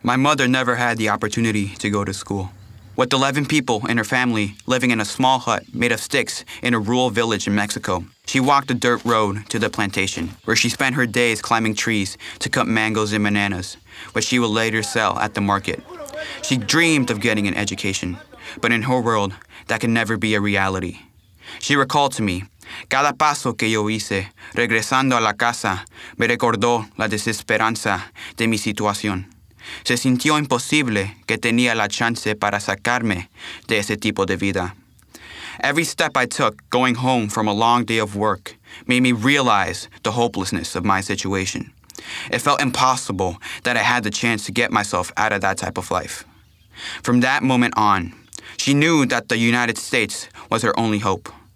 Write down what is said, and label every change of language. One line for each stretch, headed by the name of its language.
English: My mother never had the opportunity to go to school. With 11 people in her family living in a small hut made of sticks in a rural village in Mexico, she walked a dirt road to the plantation, where she spent her days climbing trees to cut mangoes and bananas, which she would later sell at the market. She dreamed of getting an education, but in her world, that could never be a reality. She recalled to me,
Spanish: "Cada paso que yo hice regresando a la casa me recordó la desesperanza de mi situación. Se sintió imposible que tenía la chance para sacarme de ese tipo de vida.
English: Every step I took going home from a long day of work made me realize the hopelessness of my situation. It felt impossible that I had the chance to get myself out of that type of life. From that moment on, she knew that the United States was her only hope.